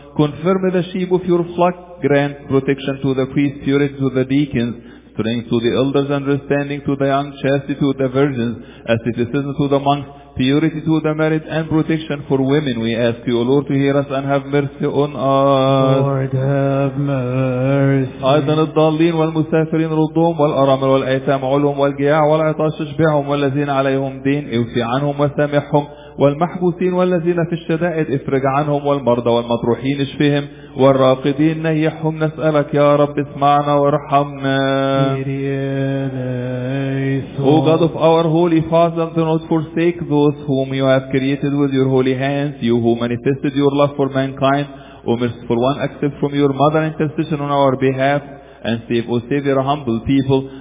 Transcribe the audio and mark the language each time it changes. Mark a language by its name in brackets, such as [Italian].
[English] Confirm the sheep of your flock, grant protection to the priests, purity to the deacons, strength to the elders, understanding to the young, chastity to the virgins, asceticism to the monks, purity to the married and protection for women. We ask you, O Lord, to hear us and have mercy on us. Lord, have mercy. [Arabic] أيضا الضالين والمسافرين ردهم والأرامل والأيتام علهم والجياع والعطاش اشبعهم والذين عليهم دين اوفي عنهم وسامحهم والمحبوسين والذين في الشدائد افرج عنهم والمرضى والمطروحين اشفهم والراقدين نيحهم نسألك يا رب اسمعنا وارحمنا. [English] O God of our holy fathers, do not forsake those whom you have created with your holy hands, you who manifested your love for mankind. O merciful one, accept from your mother intercession on our behalf and save, O Savior, humble people.